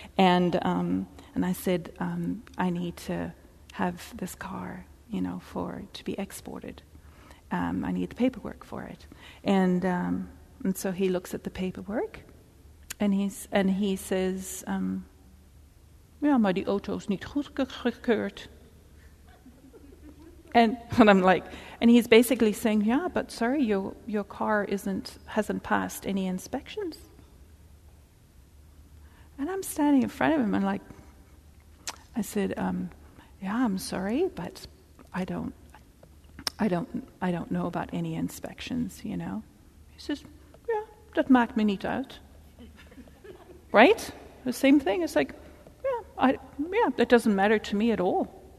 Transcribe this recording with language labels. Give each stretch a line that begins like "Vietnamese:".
English: And I said, I need to have this car, you know, to be exported. I need the paperwork for it. And so he looks at the paperwork, and he says...
Dutch: Ja, maar die auto is niet goedgekeurd.
English: And I'm like, and he's basically saying, yeah, but sorry, your car hasn't passed any inspections. And I'm standing in front of him, and like, I said, yeah, I'm sorry, but I don't know about any inspections, you know. He says, yeah, that
Dutch: maakt me niet uit.
English: Right? The same thing. It's like, yeah, that doesn't matter to me at all.